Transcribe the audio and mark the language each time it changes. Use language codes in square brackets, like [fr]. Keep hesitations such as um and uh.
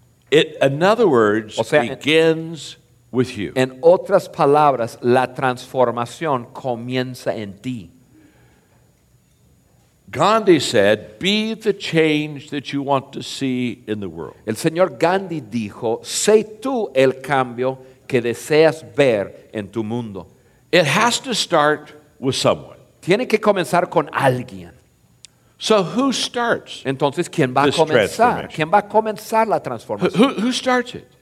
[en] It, in other words, [es] o sea, [en] begins en, with you. [es] In otras palabras, la transformación comienza en ti. [en] Gandhi said, "Be the change that you want to see in the world." [es] El señor Gandhi dijo, "Sé tú el cambio que deseas ver en tu mundo." [en] It has to start with someone. [es] Tiene que comenzar con alguien. [en] So who starts? [es] Entonces, ¿quién va a comenzar? ¿Quién va a comenzar la transformación? [en] Who, who starts it?